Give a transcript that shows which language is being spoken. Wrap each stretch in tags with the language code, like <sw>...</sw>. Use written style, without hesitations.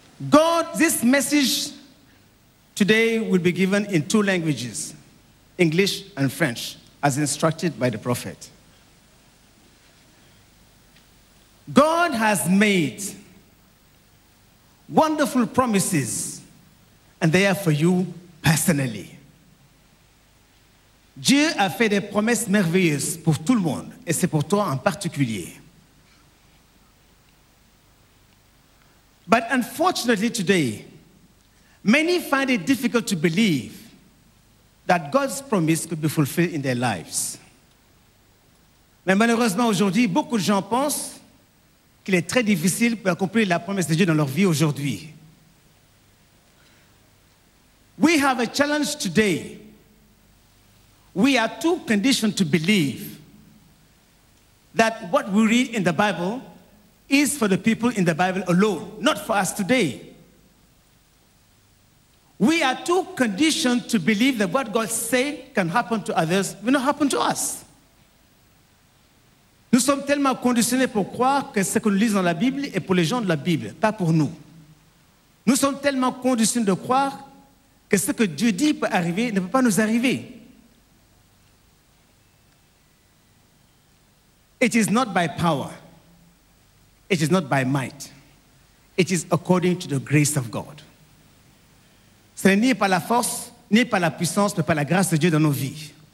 <en>God, this message today will be given in two languages, English and French, as instructed by the prophet. God has made wonderful promises, and they are for you personally.</en> <fr>Dieu a fait des promesses merveilleuses pour tout le monde, et c'est pour toi en particulier.</fr> <en>But unfortunately today, many find it difficult to believe that God's promise could be fulfilled in their lives.</en> <fr>Mais malheureusement aujourd'hui, beaucoup de gens pensent qu'il est très difficile pour accomplir la promesse de Dieu dans leur vie aujourd'hui.</fr> <en>We have a challenge today. We are too conditioned to believe that what we read in the Bible is for the people in the Bible alone, not for us today. We are too conditioned to believe that what God said can happen to others will not happen to us.</en> <fr>Nous sommes tellement conditionnés pour croire que ce que nous lisons dans la Bible est pour les gens de la Bible, pas pour nous. Nous sommes tellement conditionnés de croire que ce que Dieu dit peut arriver ne peut pas nous arriver.</fr> <en>It is not by power. It is not by might. It is according to the grace of God.</en> <fr>Ce n'est ni par la force, ni par la puissance, mais par la grâce de Dieu dans nos vies.</fr>